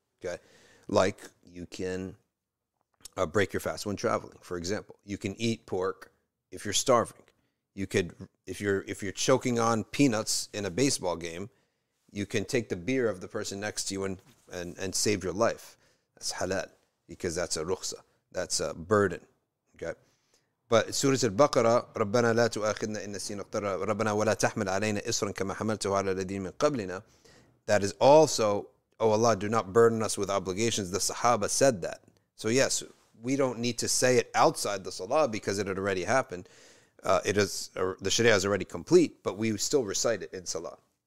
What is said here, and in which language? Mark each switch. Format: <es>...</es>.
<en>Okay, like you can break your fast when traveling, for example. You can eat pork if you're starving. You could, if you're choking on peanuts in a baseball game, you can take the beer of the person next to you and save your life. That's halal, because that's a rukhsa. That's a burden. Okay. But Surah Al-Baqarah,</en> <ar>رَبَّنَا لَا تُؤَخِذْنَا إِنَّ سِينَ اَقْتَرَى رَبَّنَا وَلَا تَحْمِلْ عَلَيْنَا إِصْرًا كَمَا حَمَلْتُهُ عَلَى الَّذِينَ مِنْ قَبْلِنَا.</ar> <en>That is also, oh Allah, do not burden us with obligations. The Sahaba said that. So yes, we don't need to say it outside the Salah because it had already happened. The Sharia is already complete, but we still recite it in Salah.</en>